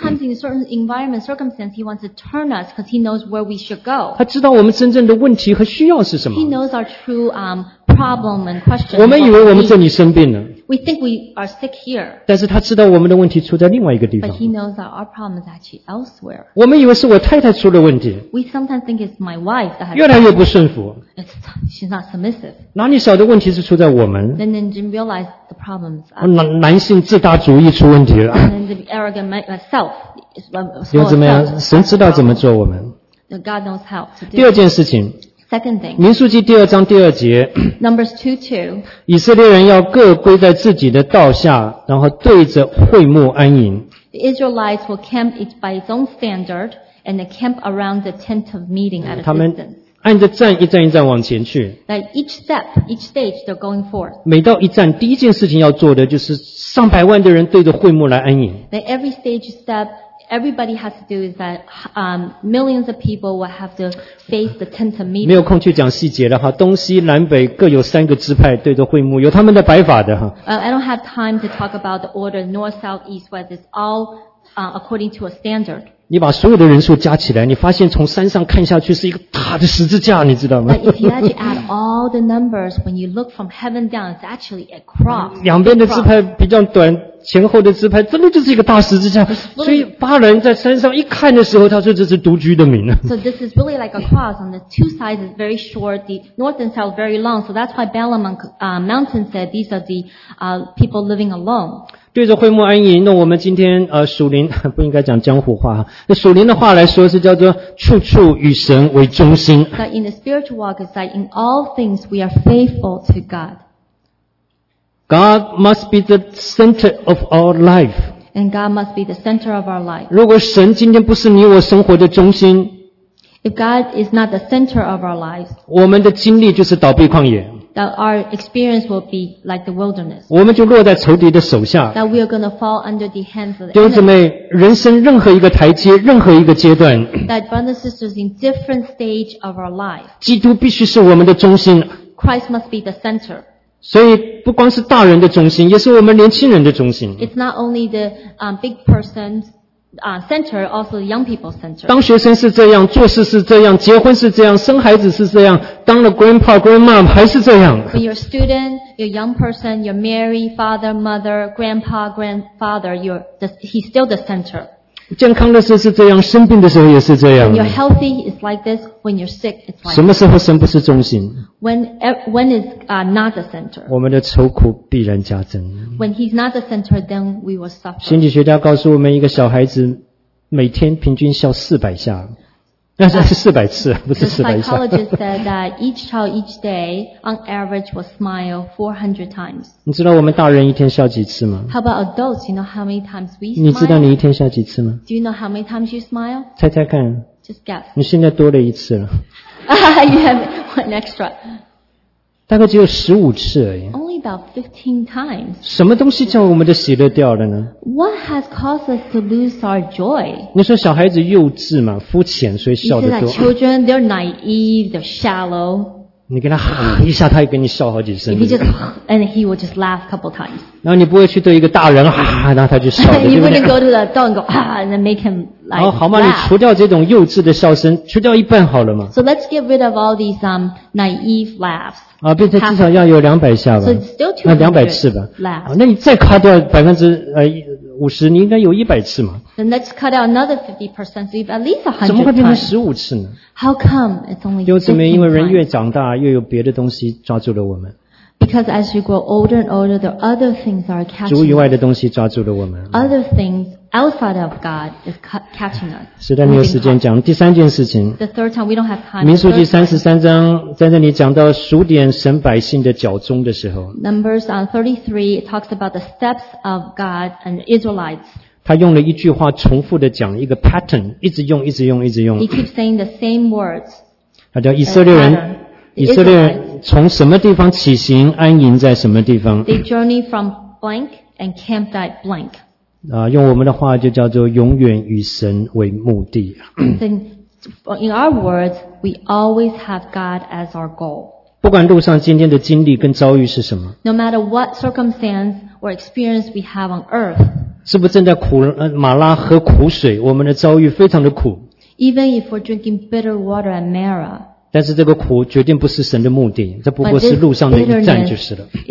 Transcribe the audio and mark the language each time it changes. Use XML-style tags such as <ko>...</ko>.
<en>Sometimes in certain environment circumstance, he wants to turn us because he knows where we should go.</en> <zh>他知道我们真正的问题和需要是什么。</zh> <en>He knows our true problem and question.</en> <zh>我们以为我们这里生病了。</zh> <en>We think we are sick here.</en> <zh>但是他知道我们的问题出在另外一个地方。</zh> <en>But he knows that our problem is actually elsewhere.</en> <zh>我们以为是我太太出了问题。</zh> <en>We sometimes think it's my wife that has.</en> <zh>越来越不顺服。</zh> <en>She's not submissive.</en> <zh>哪里晓得问题是出在我们？</zh> <en>Then you realize the problem is.</en> <zh>男性自大主义出问题了。</zh> <en>Then the arrogant self.</en> <zh>又怎么样？神知道怎么做我们。</zh> <en>God knows how to do.</en> <zh>第二件事情。</zh> <en>Second thing.</en> <zh>民数记第二章第二节。</zh> <en>Numbers 2:2.</en> <zh>以色列人要各归在自己的道下，然后对着会幕安营。</zh> <en>The Israelites will camp each by its own standard, and they camp around the tent of meeting at a distance.</en> <zh>按着站一站一站往前去。</zh> <en>That each step, each stage, they're going forward.</en> <zh>每到一站，第一件事情要做的就是上百万的人对着会幕来安营。</zh> <en>That every stage step. Everybody has to do is that millions of people will have to face the tent of meeting.</en> <zh>没有空去讲细节的哈，东西南北各有三个支派对着会幕，有他们的摆法的哈。</zh> <en>I don't have time to talk about the order north, south, east, west. It's all according to a standard.</en> <zh>你把所有的人数加起来，你发现从山上看下去是一个大的十字架，你知道吗？</zh> <en>But if you actually add all the numbers, when you look from heaven down, it's actually a cross.</en> <zh>两边的支派比较短。前后的支派真的就是一个大十字架，所以巴兰在山上一看的时候，他说这是独居的民。</zh> <en>So this is really like a cross on the two sides is very short, the north and south very long. So that's why Balaam on mountain said these are the people living alone.</en> <zh>对着会幕安营，那我们今天属灵不应该讲江湖话，那属灵的话来说是叫做处处与神为中心。</zh> <en>That in the spiritual walk is that in all things we are faithful to God. God must be the center of our life. And God must be the center of our life.</en> <zh>如果神今天不是你我生活的中心，</zh> <en>If God is not the center of our lives,</en> <zh>我们的经历就是倒闭旷野。</zh> <en>That our experience will be like the wilderness.</en> <zh>我们就落在仇敌的手下。</zh> <en>That we are going to fall under the hands of the enemy.</en> <zh>弟兄姊妹，人生任何一个台阶，任何一个阶段，</zh> <en>That brothers and sisters in different stage of our life.</en> <zh>基督必须是我们的中心。</zh> <en>Christ must be the center.</en> <zh>所以不光是大人的中心，也是我们年轻人的中心。</zh> <en>It's not only the big person, center, also the young people center.</en> <zh>当学生是这样，做事是这样，结婚是这样，生孩子是这样，当了</zh> <en>grandpa, grandmom</en> <zh>还是这样。</zh> <en>When you're a student, you're a young person, you're married, father, mother, grandpa, grandfather, he's still the center.</en> <zh>健康的时候是这样，生病的时候也是这样。</zh> <en>When you're healthy, it's like this. When you're sick, it's like this.</en> <zh>什么时候神不是中心？</zh> <en>When is not the center?</en> <zh>我们的愁苦必然加增。</zh> <en>When he's not the center, then we will suffer.</en> <zh>心理学家告诉我们，一个小孩子每天平均笑400下，那是400次，不是400下。</zh> <en>The psychologist said that each child each day, on average, will smile 400 times.</en> <zh>你知道我们大人一天笑几次吗？</zh> <en>How about adults? You know how many times we smile?</en> <zh>你知道你一天笑几次吗？</zh> <en>Do you know how many times you smile?</en> <zh>猜猜看。</zh> <en>Just guess.</en> <zh>你现在多了一次了。</zh> <en>You have one extra.</en> <zh>大概只有15次而已。</zh> <en>About 15 times.</en> <zh>什么东西叫我们的喜乐掉了呢？</zh> <en>What has caused us to lose our joy?</en> <zh>你说小孩子幼稚嘛，肤浅，所以笑得多。</zh> <en>You said that children, they're naive, they're shallow.</en> <zh>你跟他喊一下，他也跟你笑好几声。</zh> <en>And he will just laugh a couple times.</en> <zh>然后你不会去对一个大人哈，然后他就笑。</zh> <en>You wouldn't go to the adult and go, and then make him like laugh.</en> <zh>好嘛，你除掉这种幼稚的笑声，除掉一半好了嘛。</zh> <en>So let's get rid of all these naive laughs.</en> <zh>啊，变成至少要有200下吧，那200次吧。啊，那你再卡掉50%，你应该有100次嘛。</zh> <en>Then let's cut out another 50%, so you've at least 100 times.</en> <zh>怎么会变成15次呢？</zh> <en>How come it's only 15 times?</en> <zh>因为人越长大，越有别的东西抓住了我们。</zh> <en>Because as you grow older and older, there are other things that are catching us.</en> <zh>主以外的东西抓住了我们。</zh> <en>Other things outside of God is catching us.</en> <zh>实在没有时间讲第三件事情。</zh> <en>The third time, we don't have time.</en> <zh>民数记33章，在这里讲到数点神百姓的脚踪的时候。</zh> <en>Numbers on 33, it talks about the steps of God and Israelites.</en> <zh>他用了一句话重复的讲一个 pattern, 一直用，一直用，一直用。</zh> <en>He keeps saying the same words.</en> <zh>他叫以色列人。以色列人从什么地方起行，安营在什么地方</zh> <en>？They journey from blank and camped at blank.</en> <zh>啊，用我们的话就叫做永远与神为目的。</zh> <en>In our words, we always have God as our goal.</en> <zh>不管路上今天的经历跟遭遇是什么</zh> <en>，No matter what circumstance or experience we have on earth，</en> <zh>是不是正在苦马拉喝苦水？我们的遭遇非常的苦。</zh> <en>Even if we're drinking bitter water at Mara。</en> <zh>但是这个苦决定不是神的目的，这不过是路上的一站就是了。</zh>